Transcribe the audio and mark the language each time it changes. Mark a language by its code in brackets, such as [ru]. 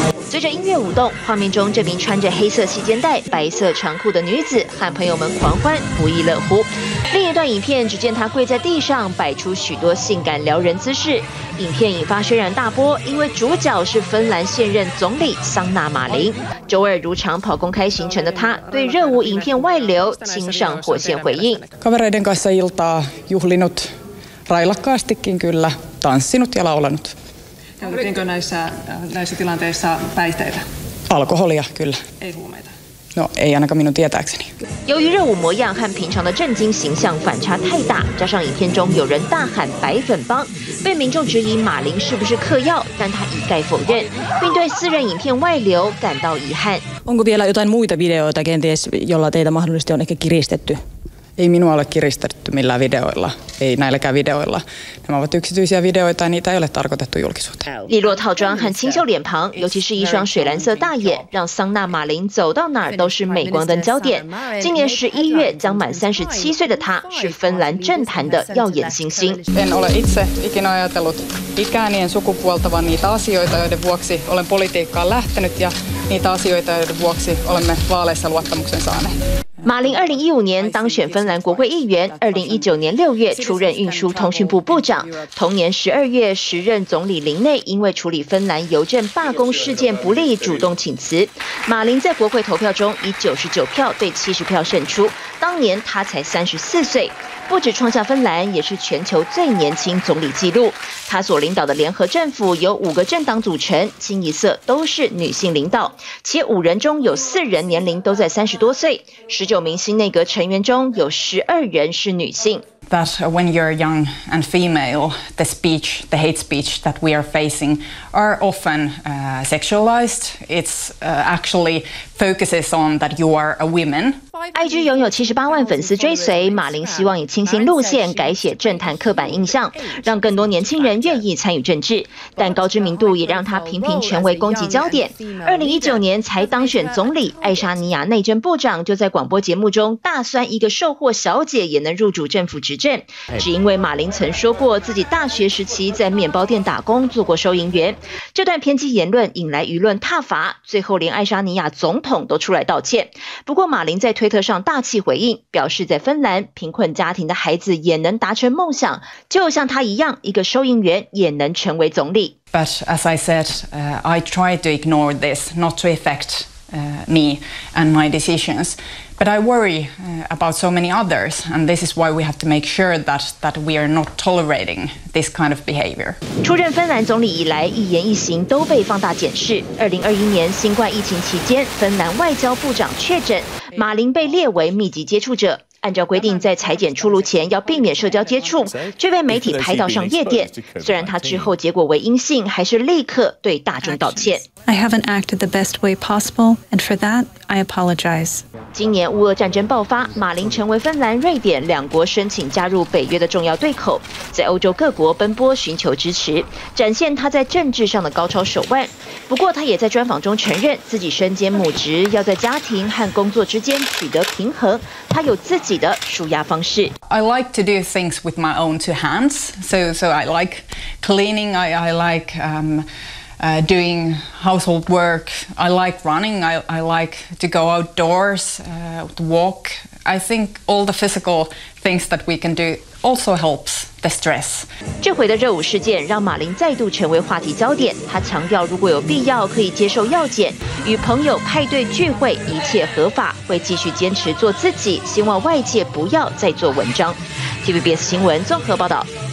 [zh] 随着音乐舞动，画面中这名穿着黑色细肩带、白色长裤的女子和朋友们狂欢，不亦乐乎。另一段影片只见她跪在地上，摆出许多性感撩人姿势。影片引发轩然大波，因为主角是芬兰现任总理桑纳马林。周二如常跑公开行程的她，对热舞影片外流亲上火线回应。 [fi] Kavereiden kanssa iltaa juhlinut railakkaastikin kyllä, tanssinut ja laulanut. Käytinkö näissä tilanteissa päihteitä? Alkoholia, kyllä. Ei huumeita. No, ei ainakaan minun tietääkseni. [zh] 由于热舞模样和平常的震惊形象反差太大，加上影片中有人大喊“白粉帮”，被民众质疑马林是不是嗑药，但他一概否认，并对私人影片外流感到遗憾。 [fi] Onko vielä jotain muita videoita kenties, jolla teitä mahdollisesti on ehkä kiristetty? Ei minua ole kiristetty millään videoilla, ei näilläkään videoilla. Nämä ovat yksityisiä videoita, niitä ei ole tarkoitettu julkisuuteen. [zh] 利落套装和清秀脸庞，尤其是一双水蓝色大眼，让桑纳马林走到哪儿都是镁光灯焦点。今年11月将满37岁的他，是芬兰政坛的耀眼新星。 [fi] En ole itse ikinä ajatellut ikääni en sukupuolta, vaan niitä asioita, joiden vuoksi olen politiikkaan lähtenyt ja niitä asioita, joiden vuoksi olemme vaaleissa luottamuksen saaneet. [zh] 马林2015年当选芬兰国会议员，2019年6月出任运输通讯部部长。同年12月，时任总理林内因为处理芬兰邮政罢工事件不利，主动请辞。马林在国会投票中以99票对70票胜出。当年他才34岁，不止创下芬兰，也是全球最年轻总理纪录。他所领导的联合政府由5个政党组成，清一色都是女性领导，且5人中有4人年龄都在30多岁。 19名新内阁成员中有12人是女性。 [en] That when you're young and female, the speech, the hate speech that we are facing, are often sexualized. It's actually focuses on that you are a woman. [zh] IG 拥有78万粉丝追随，马林希望以清新路线改写政坛刻板印象，让更多年轻人愿意参与政治。但高知名度也让他频频成为攻击焦点。2019年才当选总理，爱沙尼亚内政部长就在广播节目中大酸一个售货小姐也能入主政府。只因为马林曾说过自己大学时期在面包店打工，做过收银员。这段偏激言论引来舆论挞伐，最后连爱沙尼亚总统都出来道歉。不过马林在推特上大气回应，表示在芬兰贫困家庭的孩子也能达成梦想，就像他一样，一个收银员也能成为总理。 [en] But as I said, I tried to ignore this, not to affect me and my decisions. But I worry about so many others, and this is why we have to make sure that we are not tolerating this kind of behavior. [zh] 出任芬兰总理以来，一言一行都被放大检视。 2021年新冠疫情期间，芬兰外交部长确诊，马林被列为密集接触者。按照规定，在裁剪出炉前要避免社交接触，却被媒体拍到上夜店。虽然他之后结果为阴性，还是立刻对大众道歉。 [en] I haven't acted the best way possible, and for that, I apologize. [zh] 今年乌俄战争爆发，马林成为芬兰、瑞典两国申请加入北约的重要对口，在欧洲各国奔波寻求支持，展现他在政治上的高超手腕。不过，他也在专访中承认自己身兼母职，要在家庭和工作之间取得平衡。他有自己的舒压方式。 [en] I like to do things with my own two hands. So I like cleaning. Doing household work. I like running. I like to go outdoors, walk. I think all the physical things that we can do also helps the stress. [zh] 这回的热舞事件让马林再度成为话题焦点。他强调，如果有必要，可以接受药检，与朋友派对聚会，一切合法，会继续坚持做自己，希望外界不要再做文章。 TVBS 新闻综合报道。